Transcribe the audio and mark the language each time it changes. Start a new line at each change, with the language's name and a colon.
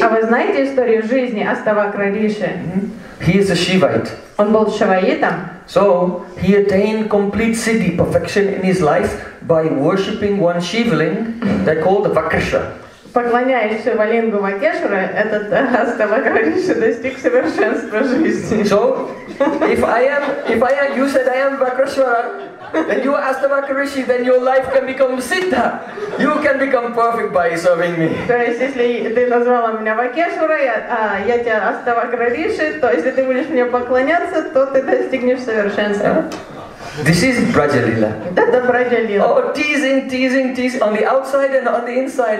Russian: А вы знаете историю жизни Аставакра Риши?
English: He is a Shivite.
Russian: Он был Шиваитом.
English: So he attained complete siddhi, perfection in his life by worshipping one Shivling they called the Vakrasha.
Russian: Поклоняясь Шивалингу Вакешра, этот Аставакра Риши достиг совершенства жизни.
English: So if I am, you said I am Vakrasha. And you are Astavakra Rishi, then your life can become Siddha. You can become perfect by serving me.
Russian: То есть, если ты назвала меня Вакешура, я тебя Аставакра Риши, то если ты будешь мне поклоняться, то ты достигнешь совершенства.
English: This is Braja Lila.
Russian: Это Braja Lila.
English: Oh, teasing on the outside and on the inside.